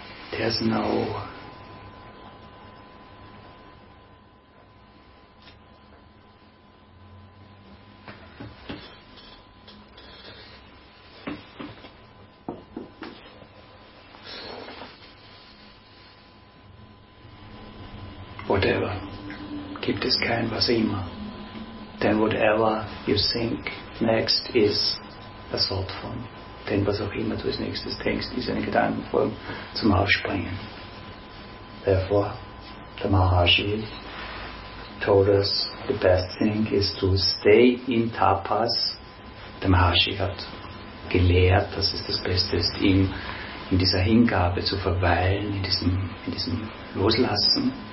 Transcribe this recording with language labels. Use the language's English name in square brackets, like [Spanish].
[English] There's no whatever, [German] gibt es kein was immer, [English] then whatever you think next is a thought form. [German] Denn was auch immer du als nächstes denkst, ist eine Gedankenform zum Aufspringen. [English] Therefore, the Maharshi told us the best thing is to stay in tapas. [German] Der Maharshi hat gelehrt, dass es das Beste ist, ihm in dieser Hingabe zu verweilen, in diesem Loslassen.